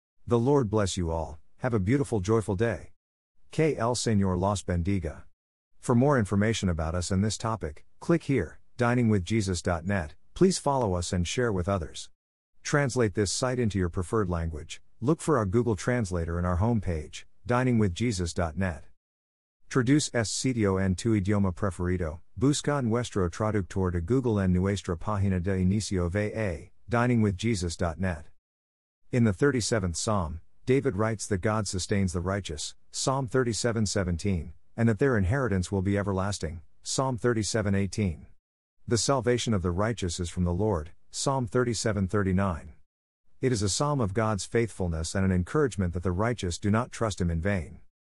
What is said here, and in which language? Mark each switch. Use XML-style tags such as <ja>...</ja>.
<en>The Lord bless you all, have a beautiful, joyful day.</en> <es>Que el Señor los bendiga.</es> <en>For more information about us and this topic, click here, diningwithjesus.net, please follow us and share with others. Translate this site into your preferred language, look for our Google Translator in our homepage, diningwithjesus.net.</en> <es>Traduce este sitio en tu idioma preferido, busca nuestro traductor de Google en nuestra página de inicio VA, diningwithjesus.net.</es> <en>In the 37th Psalm, David writes that God sustains the righteous, Psalm 37:17, and that their inheritance will be everlasting, Psalm 37:18. The salvation of the righteous is from the Lord, Psalm 37:39. It is a psalm of God's faithfulness and an encouragement that the righteous do not trust Him in vain.</en>